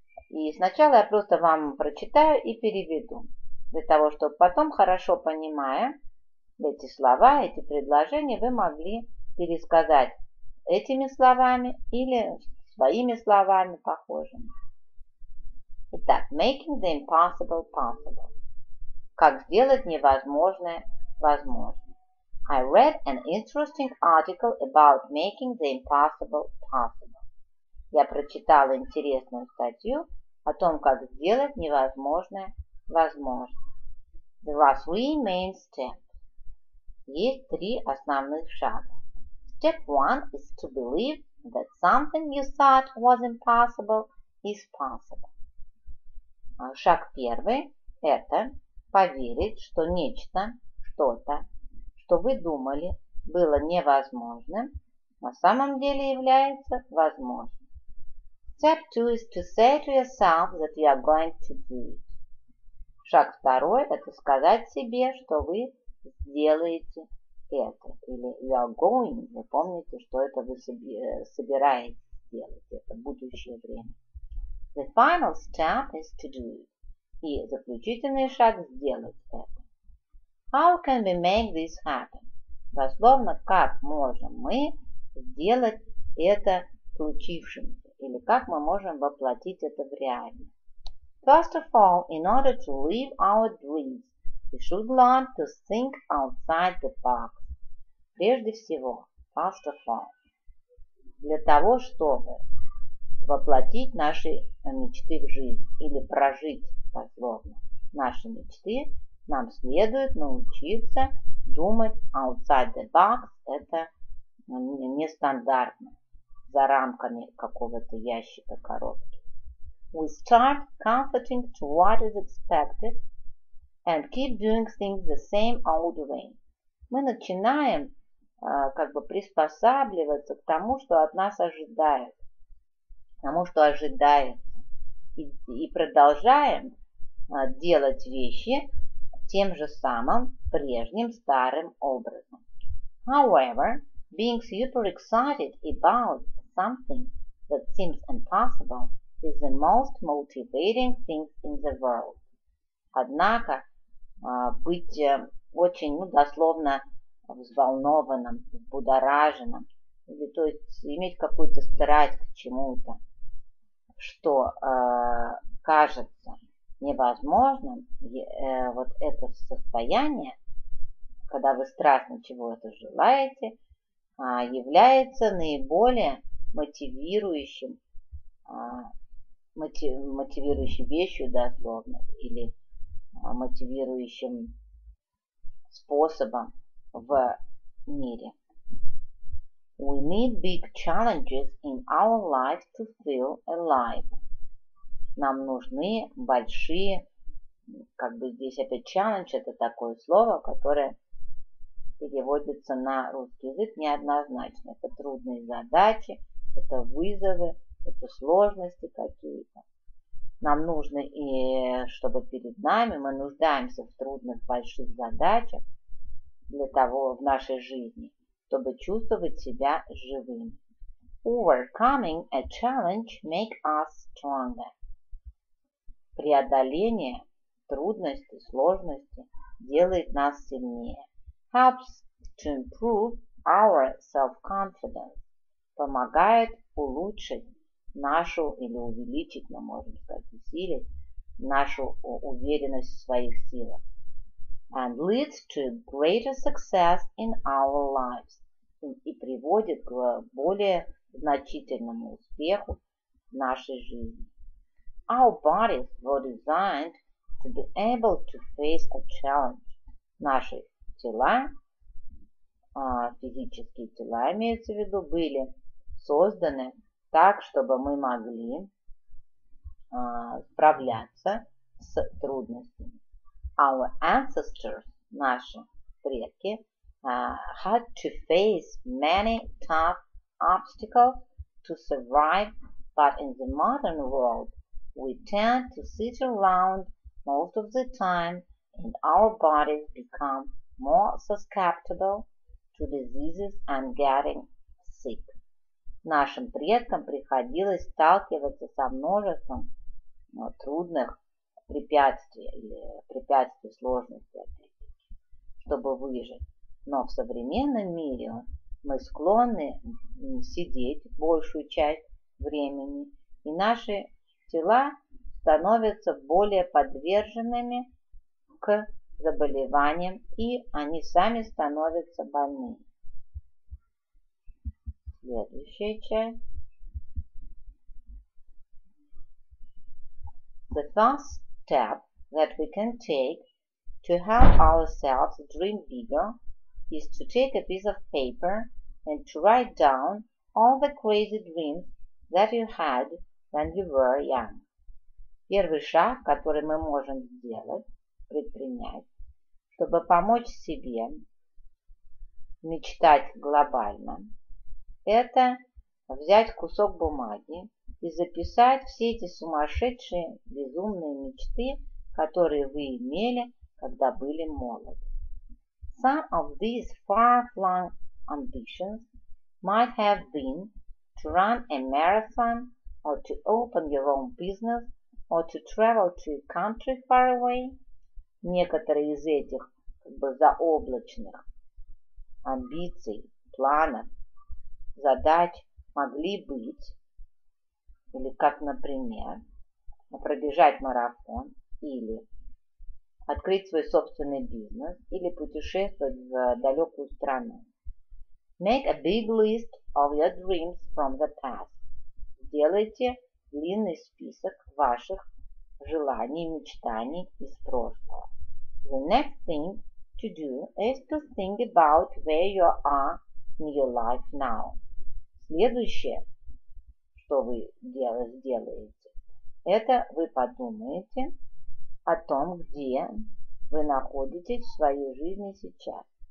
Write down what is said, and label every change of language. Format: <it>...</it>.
<ru>И сначала я просто вам прочитаю и переведу, для того, чтобы потом, хорошо понимая эти слова, эти предложения, вы могли пересказать этими словами или своими словами похожими.</ru> <en>Итак, making the impossible possible.</en> <ru>Как сделать невозможное возможным.</ru> <en>I read an interesting article about making the impossible possible.</en> <ru>Я прочитала интересную статью о том, как сделать невозможное возможным.</ru> <en>There are three main steps.</en> <ru>Есть три основных шага.</ru> <en>Step one is to believe that something you thought was impossible is possible.</en> <ru>Шаг первый – это поверить, что нечто, что-то, что вы думали, было невозможным, на самом деле является возможным.</ru> <en>Step two is to say to yourself that you are going to do it.</en> <ru>Шаг второй – это сказать себе, что вы сделаете это. Или</ru> <en>you are going,</en> <ru>вы помните, что это вы собираетесь сделать, это будущее время.</ru> <en>The final step is to do it.</en> <ru>И заключительный шаг – сделать это.</ru> <en>How can we make this happen?</en> <ru>Дословно, как можем мы сделать это случившимся? Или как мы можем воплотить это в реальность?</ru> <en>First of all, in order to live our dreams, we should learn to think outside the box.</en> <ru>Прежде всего,</ru> <en>first of all,</en> <ru>для того, чтобы воплотить наши мечты в жизнь или прожить, дословно, наши мечты, нам следует научиться думать</ru> <en>outside the box,</en> <ru>это нестандартно, за рамками какого-то ящика, коробки.</ru> <en>We start comforting to what is expected and keep doing things the same old way.</en> <ru>Мы начинаем как бы приспосабливаться к тому, что от нас ожидают. Потому что ожидается. И продолжаем делать вещи тем же самым прежним старым образом.</ru> <en>However, being super excited about something that seems impossible is the most motivating thing in the world.</en> <ru>Однако, быть очень, дословно, взволнованным, взбудораженным, или, то есть иметь какую-то страсть к чему-то, что кажется невозможным, вот это состояние, когда вы страстно чего-то желаете, является наиболее мотивирующей вещью, дословно, или мотивирующим способом в мире.</ru> <en>We need big challenges in our life to feel alive.</en> <ru>Нам нужны большие, как бы здесь опять challenge, это такое слово, которое переводится на русский язык неоднозначно. Это трудные задачи, это вызовы, это сложности какие-то. Нам нужно и чтобы перед нами, мы нуждаемся в трудных больших задачах для того в нашей жизни, чтобы чувствовать себя живым.</ru> <en>Overcoming a challenge make us stronger.</en> <ru>Преодоление трудностей, сложностей делает нас сильнее.</ru> <en>Helps to improve our self-confidence.</en> <ru>Помогает улучшить нашу, или увеличить, мы можем сказать, усилить нашу уверенность в своих силах.</ru> <en>And leads to greater success in our lives.</en> <ru>И приводит к более значительному успеху в нашей жизни.</ru> <en>Our bodies were designed to be able to face a challenge.</en> <ru>Наши тела, физические тела имеются в виду, были созданы так, чтобы мы могли справляться с трудностями.</ru> <en>Our ancestors,</en> <ru>наши предки,</ru> <en>had to face many tough obstacles to survive, but in the modern world We tend to sit around most of the time and our bodies become more susceptible to diseases and getting sick.</en> <ru>Нашим предкам приходилось сталкиваться со множеством трудных препятствий или препятствий сложностей, чтобы выжить. Но в современном мире мы склонны сидеть большую часть времени, и наши тела становятся более подверженными к заболеваниям, и они сами становятся больными. Следующая часть.</ru> <en>The first step that we can take to help ourselves dream bigger is to take a piece of paper and to write down all the crazy dreams that you had when you were young.</en> <ru>Первый шаг, который мы можем сделать, предпринять, чтобы помочь себе мечтать глобально, это взять кусок бумаги и записать все эти сумасшедшие, безумные мечты, которые вы имели, когда были молоды.</ru> <en>Some of these far-flung ambitions might have been to run a marathon or to open your own business or to travel to a country far away.</en> <ru>Некоторые из этих заоблачных амбиций, планов, задач могли быть, или как, например, пробежать марафон, или открыть свой собственный бизнес, или путешествовать в далекую страну.</ru> <en>Make a big list of your dreams from the past.</en> <ru>Сделайте длинный список ваших желаний и мечтаний из прошлого.</ru> <en>The next thing to do is to think about where you are in your life now.</en> <ru>Следующее, что вы сделаете, это вы подумаете о том, где вы находитесь в своей жизни сейчас.</ru>